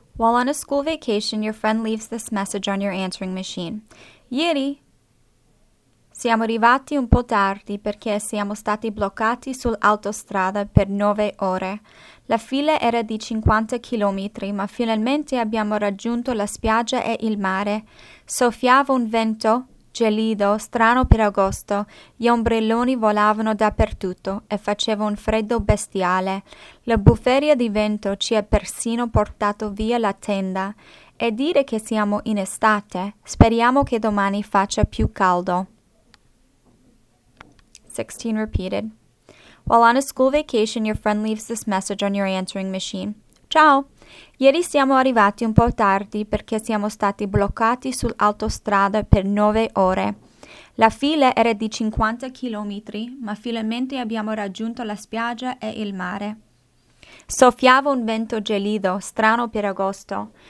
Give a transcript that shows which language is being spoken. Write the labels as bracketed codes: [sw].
[en] While on a school vacation, your friend leaves this message on your answering machine. [it] Ieri siamo arrivati un po' tardi perché siamo stati bloccati sull'autostrada per 9 ore. La fila era di 50 chilometri, ma finalmente abbiamo raggiunto la spiaggia e il mare. Soffiava un vento gelido, strano per agosto. Gli ombrelloni volavano dappertutto e faceva un freddo bestiale. La bufera di vento ci ha persino portato via la tenda. E dire che siamo in estate. Speriamo che domani faccia più caldo. [en] 16 repeated. While on a school vacation, your friend leaves this message on your answering machine. [it] Ciao! Ieri siamo arrivati un po' tardi perché siamo stati bloccati sull'autostrada per 9 ore. La fila era di 50 chilometri, ma finalmente abbiamo raggiunto la spiaggia e il mare. Soffiava un vento gelido, strano per agosto.